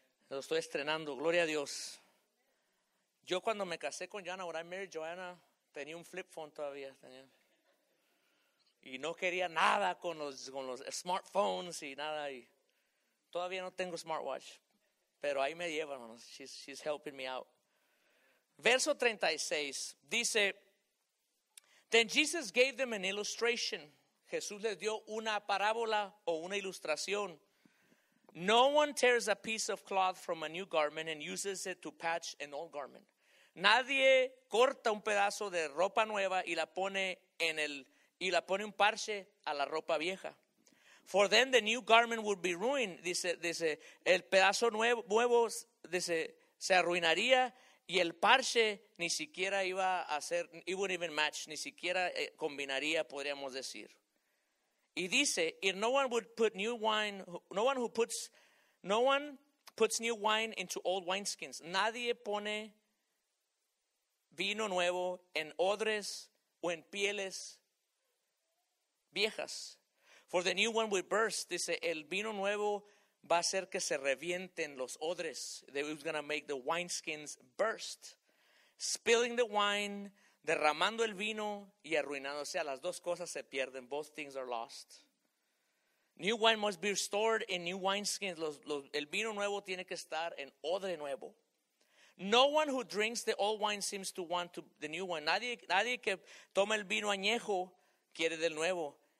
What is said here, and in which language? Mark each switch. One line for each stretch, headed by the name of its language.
Spanish: Lo estoy estrenando, gloria a Dios. Yo cuando me casé con Joanna,
English: when I married Joanna,
Spanish: tenía un flip phone todavía. Y no quería nada con los smartphones y nada ahí. Todavía no tengo smartwatch, pero ahí me lleva, hermanos.
English: She's helping me out.
Spanish: Verso 36 dice,
English: then Jesus gave them an illustration.
Spanish: Jesús les dio una parábola o una ilustración.
English: No one tears a piece of cloth from a new garment and uses it to patch an old garment.
Spanish: Nadie corta un pedazo de ropa nueva y la pone un parche a la ropa vieja.
English: For then the new garment would be ruined.
Spanish: Dice el pedazo nuevo dice, se arruinaría y el parche ni siquiera iba a ser,
English: it wouldn't even match,
Spanish: ni siquiera combinaría, podríamos decir. Y dice,
English: if no one would put new wine, no one puts new wine into old wineskins.
Spanish: Nadie pone vino nuevo en odres o en pieles viejas.
English: For the new one will burst,
Spanish: dice, el vino nuevo va a hacer que se revienten los odres.
English: It's going to make the wineskins burst. Spilling the wine,
Spanish: derramando el vino y arruinando. O sea, las dos cosas se pierden.
English: Both things are lost. New wine must be restored in new wineskins.
Spanish: El vino nuevo tiene que estar en odre nuevo.
English: No one who drinks the old wine seems to want to the new one.
Spanish: Nadie que toma el vino añejo quiere del nuevo.